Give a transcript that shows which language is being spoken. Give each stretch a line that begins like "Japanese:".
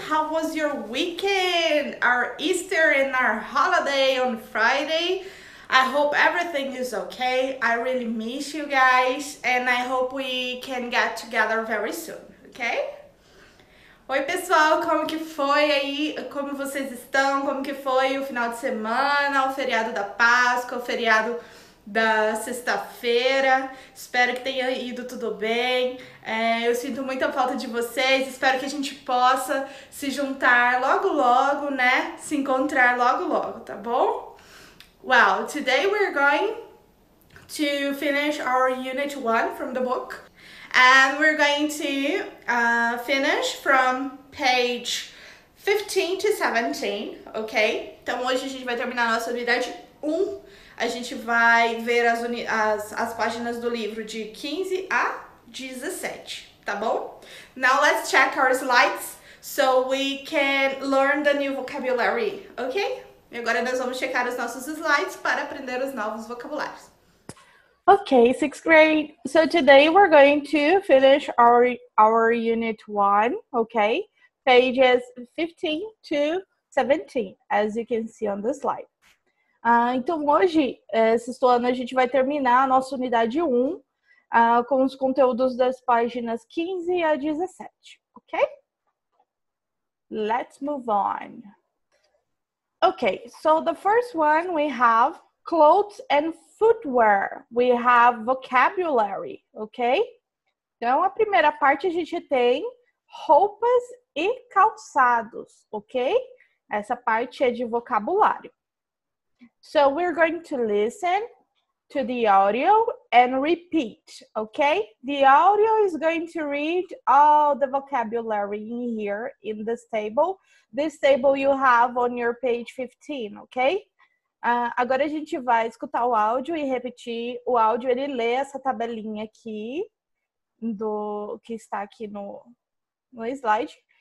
English: was your weekend, our Easter and our holiday on Friday? I hope everything is okay. I really miss you guys, and I hope we can get together very soon, okay?
Portuguese: Oi, pessoal, como que foi aí? Como vocês estão? Como que foi o final de semana, o feriado da Páscoa, o feriado da sexta-feira? Espero que tenha ido tudo bem. Eu sinto muita falta de vocês. Espero que a gente possa se juntar logo logo, né? Se encontrar logo logo, tá bom?
English: Well, today we're going to finish our unit one from the book. And we're going to finish from page 15 to 17, ok?
Portuguese: Então hoje a gente vai terminar a nossa unidade 1. A gente vai ver as páginas do livro de 15 a 17, tá bom?
English: Now let's check our slides so we can learn the new vocabulary, ok?
Portuguese: E agora nós vamos checar os nossos slides para aprender os novos vocabulários.
English: Okay, sixth grade. So today we're going to finish our unit one, okay? Pages 15 to 17, as you can see on the slide.
Portuguese: Então hoje, sexto ano, a gente vai terminar a nossa unidade 1, com os conteúdos das páginas 15 a 17, ok?
English: Let's move on. Okay, so the first one we have clothes and footwear. We have vocabulary, ok?
Portuguese: Então, a primeira parte a gente tem roupas e calçados, ok? Essa parte é de vocabulário.
English: So, we're going to listen to the audio and repeat, ok? The audio is going to read all the vocabulary in here in this table. This table you have on your page 15, ok?
Portuguese: Agora a gente vai escutar o áudio e repetir o áudio. Ele lê essa tabelinha aqui, que está aqui no slide.